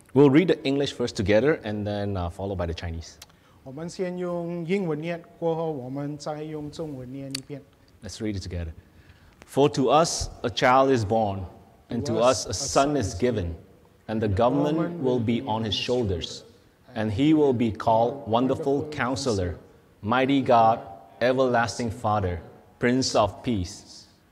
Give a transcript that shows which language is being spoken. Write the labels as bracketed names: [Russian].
[English] We'll read the English first together and then followed by the Chinese. [Chinese] 我们先用英文念，过后我们再用中文念一遍。 [English] Let's read it together. For to us a child is born, and to us a son is given, and the government will be on his shoulders, and he will be called Wonderful Counselor, Mighty God, Everlasting Father, Prince of Peace.